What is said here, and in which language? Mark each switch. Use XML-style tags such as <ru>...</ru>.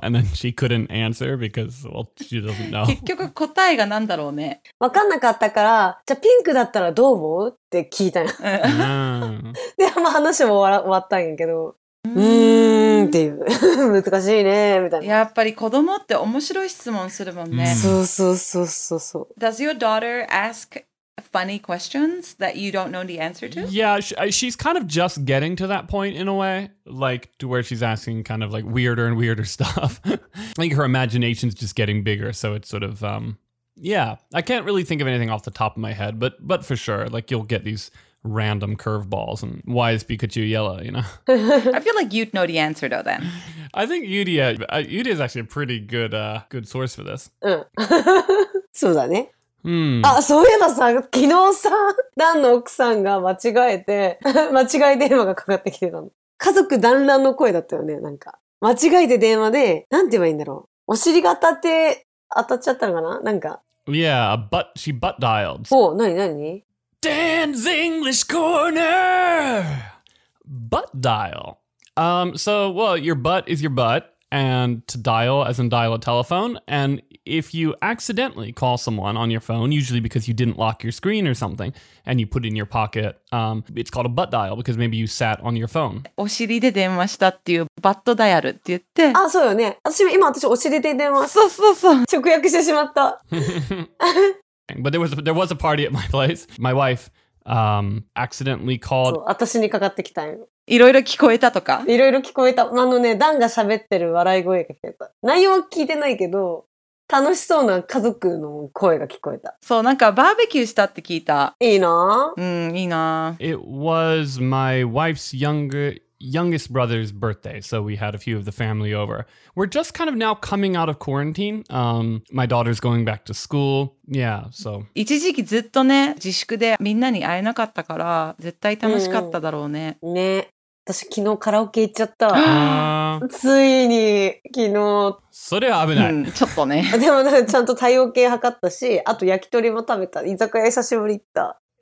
<en>And then she couldn't answer because, well, she doesn't know.</en> <ja>結局答えがなんだろうね。分かんなかったから、じゃあピンクだったらどう思うって聞いたよ。で、まあ話も終わったんやけど。っていう。難しいね、みたいな。やっぱり子供って面白い質問するもんね。そう。</ja> <en>Does your daughter ask funny questions that you don't know the answer to? Yeah, she's kind of just getting to that point in a way, like to where she's asking kind of like weirder and weirder stuff. Like her imagination's just getting bigger, so it's sort of, yeah. I can't really think of anything off the top of my head, but for sure, like you'll get these random curveballs and why is Pikachu yellow, you know? I feel like you'd know the answer though then. I think Yuria is actually a pretty good, good source for this.</en> <ja>そうだね。 Mm. あ、そういえばさ、昨日さ、ダンの奥さんが間違えて、間違い電話がかかってきてたの。家族団らんの声だったよね、なんか。間違えて電話で、なんて言えばいいんだろう。お尻が当たっちゃったのかな、なんか。</ja> <en>Yeah, a butt, she butt dialed.</en> <ja>おう、なに</ja> <en>Dan's English Corner! Butt dial. So, well, your butt is your butt, and to dial, as in dial a telephone, and... If you accidentally call someone on your phone, usually because you didn't lock your screen or something, and you put it in your pocket, it's called a butt dial because maybe you sat on your phone.</en> <ja>お尻で電話したっていうバットダイヤルって言って。あ、そうよね。私お尻で電話。そう。直訳してしまった。</ja> <en>But there was a party at my place. My wife, accidentally called.</en> <ja>そう、私にかかってきたよ。いろいろ聞こえたとか。いろいろ聞こえた。あのね、ダンが喋ってる笑い声が聞こえた。内容は聞いてないけど、楽しそうな家族の声が聞こえた。そう、なんかバーベキューしたって聞いた。いいな。うん、いいな。</ja> <en>It was my wife's youngest brother's birthday, so we had a few of the family over. We're just kind of now coming out of quarantine. My daughter's going back to school. Yeah, so.</en> <ja>一時期ずっとね、自粛でみんなに会えなかったから、絶対楽しかっただろうね。ね。私昨日カラオケ行っちゃった。ついに昨日。それは危ない。うん、ちょっとね。でもちゃんと体温計測ったし、あと焼き鳥も食べた。居酒屋久しぶり行った。</ja>